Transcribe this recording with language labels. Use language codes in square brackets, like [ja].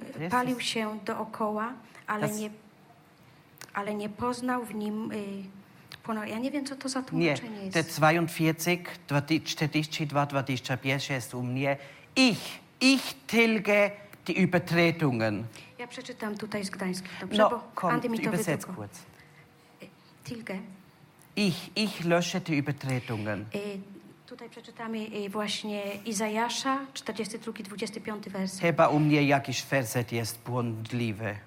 [pl] Palił się dookoła, ale nie poznał w nim... ja nie wiem, co to za tłumaczenie jest. Nie, te 42, 25 jest u mnie. [de] Ich tilge die Übertretungen. [pl] Ja przeczytam tutaj z Gdańska, dobrze? Andy mi to wydrukuje. [de] Tilge. Ich lösche die Übertretungen. [pl] Tutaj przeczytamy właśnie Izajasza, 42, 25 werset. Chyba u mnie jakiś werset jest błądliwy.